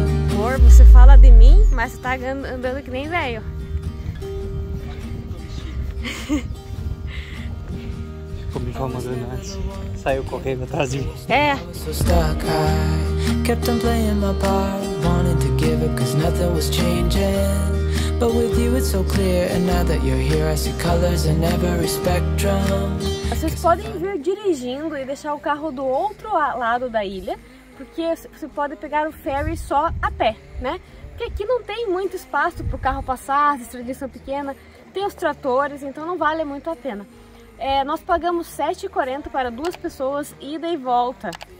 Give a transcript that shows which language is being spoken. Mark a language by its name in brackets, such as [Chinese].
[Portuguese] Amor, você fala de mim, mas você tá andando que nem velho. Comi com a madrugada, saiu correndo atrás de mim. É. [English] So stuck, I kept on playing my part. Wanted to give up cause nothing was changing. But with you it's so clear, and now that you're here I see colors in every spectrum. [Portuguese] Vocês podem vir dirigindo e deixar o carro do outro lado da ilha, porque você pode pegar o ferry só a pé, né? Porque aqui não tem muito espaço para o carro passar, as estradas são pequenas, tem os tratores, então não vale muito a pena. É, nós pagamos R$7,40 para duas pessoas, ida e volta.